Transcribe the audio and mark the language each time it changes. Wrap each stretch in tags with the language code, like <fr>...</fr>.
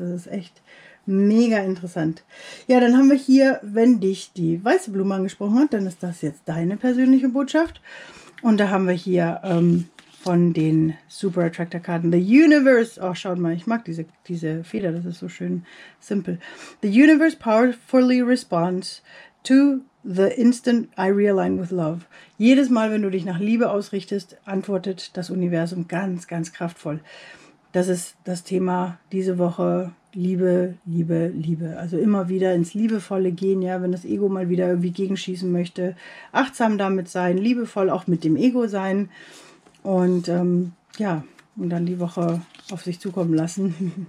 <de>Das ist echt mega interessant. Ja, dann haben wir hier, wenn dich die weiße Blume angesprochen hat, dann ist das jetzt deine persönliche Botschaft. Und da haben wir hier von den Super Attractor Karten The Universe. Oh, schaut mal, ich mag diese Feder, das ist so schön simpel.</de> <en>The Universe powerfully responds to the instant I realign with love.</en> <de>Jedes Mal, wenn du dich nach Liebe ausrichtest, antwortet das Universum ganz, ganz kraftvoll. Das ist das Thema diese Woche. Liebe, Liebe, Liebe. Also immer wieder ins Liebevolle gehen, ja, wenn das Ego mal wieder irgendwie gegenschießen möchte. Achtsam damit sein, liebevoll auch mit dem Ego sein. Und ja, und dann die Woche auf sich zukommen lassen.</de>